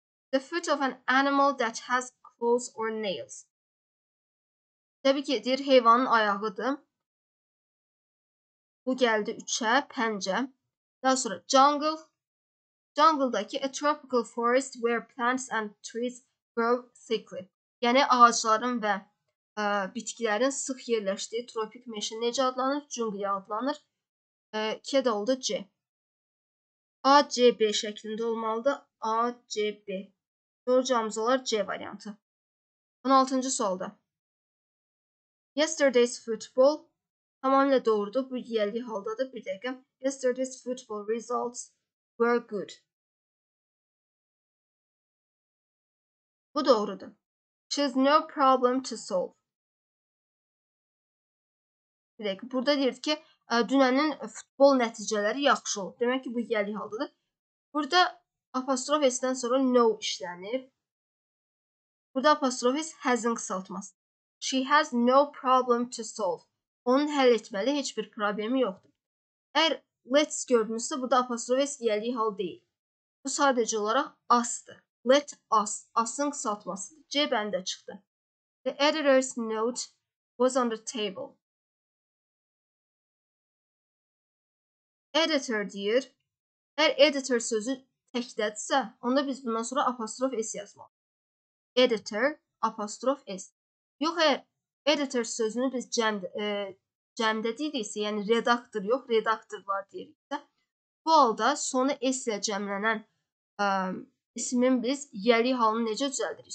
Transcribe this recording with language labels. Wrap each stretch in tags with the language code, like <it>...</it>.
<en>The foot of an animal that has claws or nails.</en> <az>Təbii ki, deyir, heyvanın ayağıdır. Bu gəldi 3-ə, pəncə. Daha sonra jungle. Jungledakı</az> <en>a tropical forest where plants and trees grow thickly.</en> <az>Yəni ağacların və bitkilərin sıx yerləşdiyi tropik meşə necə adlanır? Cungliya adlanır. İki də oldu C. A, C, B şəklində olmalıdır. A, C, B. Doğru cavabımız olar C variantı. 16-cı sualda.</az> <en>Yesterday's football.</en> <az>Tamamilə doğrudur. Bu yerli haldadır. Bir dəqiqə.</az> <en>Yesterday's football results were good.</en> <az>Bu doğrudur.</az> <en>She's no problem to solve.</en> <az>Bir dəqiqə. Burada deyirdi ki, dünənin futbol nəticələri yaxşı olub. Demək ki, bu yerli haldadır. Burada apostrof S-dən sonra no işlənir. Burada apostrof S has-ın qısaltması.</az> <en>She has no problem to solve.</en> <az>Onun həll etməli heç bir problemi yoxdur. Əgər let's gördünüzsə, burada apostrof S yerli hal deyil. Bu sadəcə olaraq as-dır. Let us, as-ın qısaltmasıdır. C bəndə çıxdı.</az> <en>The editor's note was on the table.</en> <az>Editor deyir. Əgər editor sözü təkdədirsə, onda biz bundan sonra apostrof S yazmalıyıq. Editor, apostrof S. Yox, əgər editor sözünü biz cəmdə deyiriksə, yəni redaktor yox, redaktorlar deyiriksə, bu halda sonu S ilə cəmlənən ismin biz yəli halını necə düzəldirik?</az>